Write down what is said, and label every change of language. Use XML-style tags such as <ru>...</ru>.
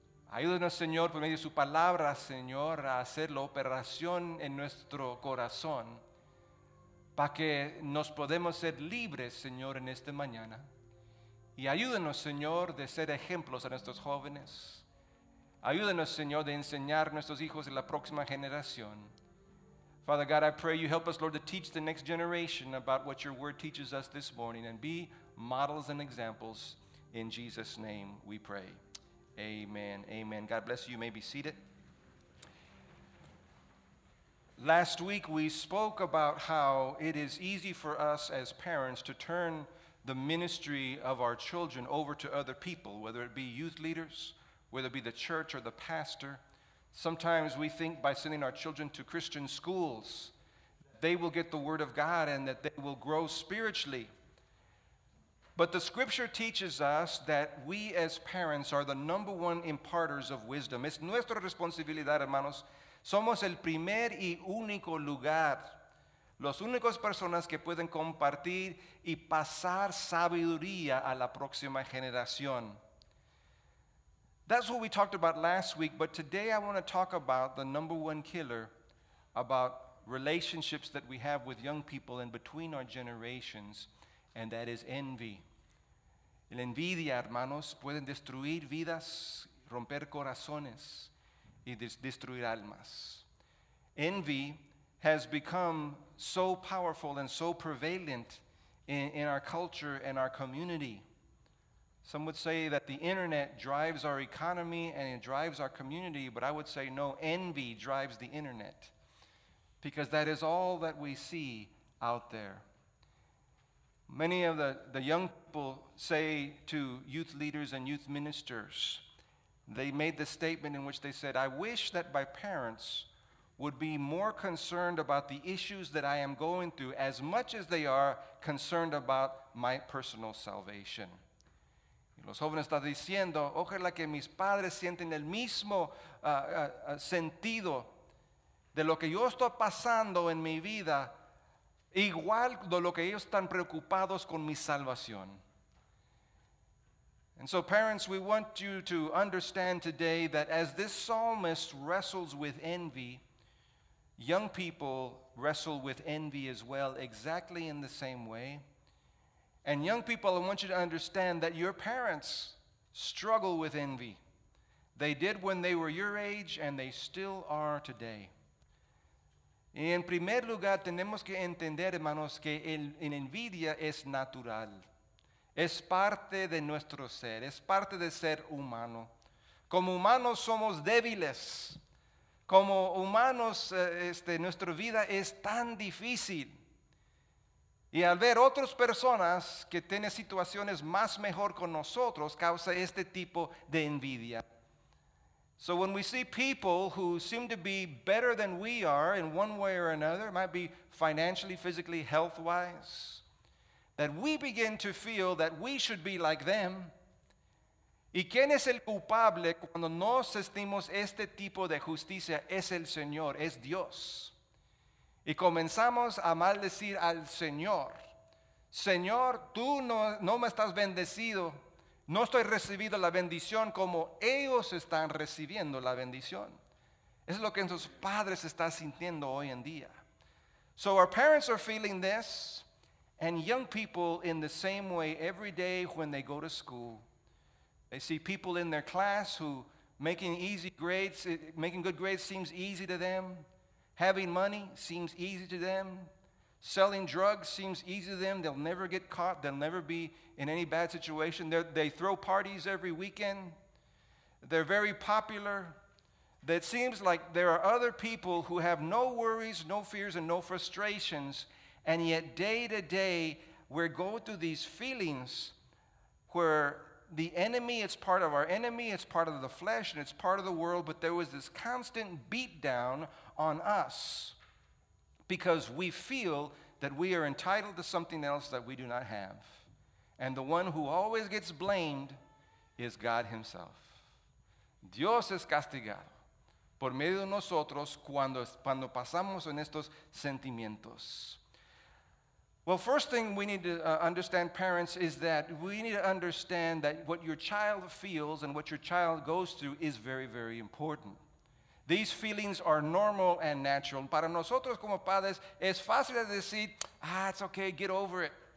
<es>Ayúdanos, Señor, por medio de su palabra, Señor, a hacer la operación en nuestro corazón, para que nos podamos ser libres, Señor, en esta mañana. Y ayúdanos, Señor, de ser ejemplos a nuestros jóvenes. Ayúdanos, Señor, de enseñar a nuestros hijos en la próxima generación.</es> <en>Father God, I pray you help us, Lord, to teach the next generation about what your word teaches us this morning, and be models and examples. In Jesus' name we pray. Amen. Amen. God bless you. You may be seated. Last week we spoke about how it is easy for us as parents to turn the ministry of our children over to other people, whether it be youth leaders, whether it be the church or the pastor. Sometimes we think by sending our children to Christian schools, they will get the word of God and that they will grow spiritually. But the scripture teaches us that we as parents are the number one imparters of wisdom.</en> <es>Es nuestra responsabilidad, hermanos. Somos el primer y único lugar, los únicos personas que pueden compartir y pasar sabiduría a la próxima generación.</es> <en>That's what we talked about last week, but today I want to talk about the number one killer, about relationships that we have with young people and between our generations, and that is envy.</en> <es>La envidia, hermanos, pueden destruir vidas, romper corazones, y destruir almas.</es> <en>Envy has become so powerful and so prevalent in our culture and our community. Some would say that the internet drives our economy and it drives our community, but I would say no, envy drives the internet, because that is all that we see out there. Many of the young people say to youth leaders and youth ministers, they made the statement in which they said, I wish that my parents would be more concerned about the issues that I am going through as much as they are concerned about my personal salvation.</en> <es>Y los jóvenes están diciendo, ojalá que mis padres sienten el mismo sentido de lo que yo estoy pasando en mi vida, igual de lo que ellos están preocupados con mi salvación.</es> <en>And so parents, we want you to understand today that as this psalmist wrestles with envy, young people wrestle with envy as well, exactly in the same way. And young people, I want you to understand that your parents struggle with envy. They did when they were your age, and they still are today.</en> <es>Y en primer lugar, tenemos que entender, hermanos, que el envidia es natural. Es parte de nuestro ser, es parte de ser humano. Como humanos somos débiles. Como humanos, nuestra vida es tan difícil. Y al ver otras personas que tienen situaciones más mejor con nosotros, causa este tipo de envidia.</es> <en>So when we see people who seem to be better than we are in one way or another, it might be financially, physically, health-wise, that we begin to feel that we should be like them.</en> <es>¿Y quién es el culpable cuando no sentimos este tipo de justicia? Es el Señor, es Dios. Y comenzamos a maldecir al Señor. Señor, tú no me estás bendecido. No estoy recibiendo la bendición como ellos están recibiendo la bendición. Es lo que nuestros padres están sintiendo hoy en día.</es> <en>So our parents are feeling this. And young people, in the same way, every day when they go to school, they see people in their class who making good grades seems easy to them. Having money seems easy to them. Selling drugs seems easy to them. They'll never get caught. They'll never be in any bad situation. They throw parties every weekend. They're very popular. That seems like there are other people who have no worries, no fears, and no frustrations. And yet, day to day, we're going through these feelings where the enemy, it's part of our enemy, it's part of the flesh, and it's part of the world, but there was this constant beat down on us because we feel that we are entitled to something else that we do not have. And the one who always gets blamed is God himself.</en> <es>Dios es castigado por medio de nosotros cuando pasamos en estos sentimientos.</es> <en>Well, first thing we need to understand, parents, is that we need to understand that what your child feels and what your child goes through is very, very important. These feelings are normal and natural.</en> <es>Para nosotros como padres, es fácil decir,</es> <en>it's okay, get over it.</en>